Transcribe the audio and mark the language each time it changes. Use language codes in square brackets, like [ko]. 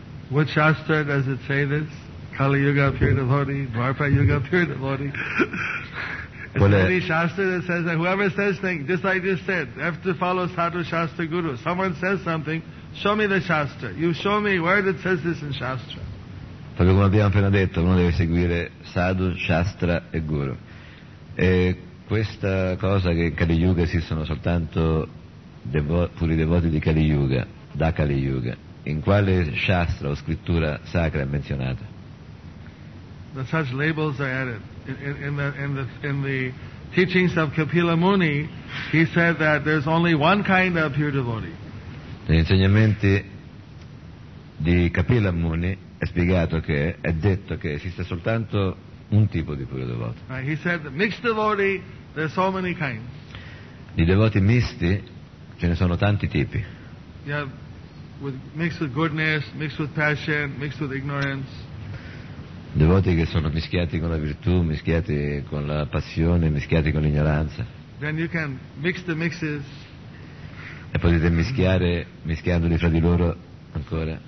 [en] What shastra does it say this? Kali Yuga Pure Devotee, Dwarpa Yuga Pure Devotee. It's any shastra that says that whoever says things, just like I just said, have to follow sadhu shastra guru. Someone says something, show me the shastra. You show me where it says this in shastra. [it] Proprio come abbiamo appena detto, uno deve seguire sadhu, shastra e guru. E questa cosa che in Kali Yuga esistono soltanto puri devoti di Kali Yuga, da Kali Yuga, in quale shastra o scrittura sacra è menzionata? [en] The such labels are added. In the teachings of Kapila Muni, he said that there's only one kind of pure devotee. [it] Negli insegnamenti di Kapila Muni è spiegato che è detto che esiste soltanto un tipo di puro devoto. [en] He said the mixed devotee, there's so many kinds. [it] I devoti misti ce ne sono tanti tipi. [en] Yeah, with mixed with goodness, mixed with passion, mixed with ignorance. [it] Devoti che sono mischiati con la virtù, mischiati con la passione, mischiati con l'ignoranza. [en] Then you can mix the mixes. [it] E potete mischiare, mischiandoli fra di loro ancora.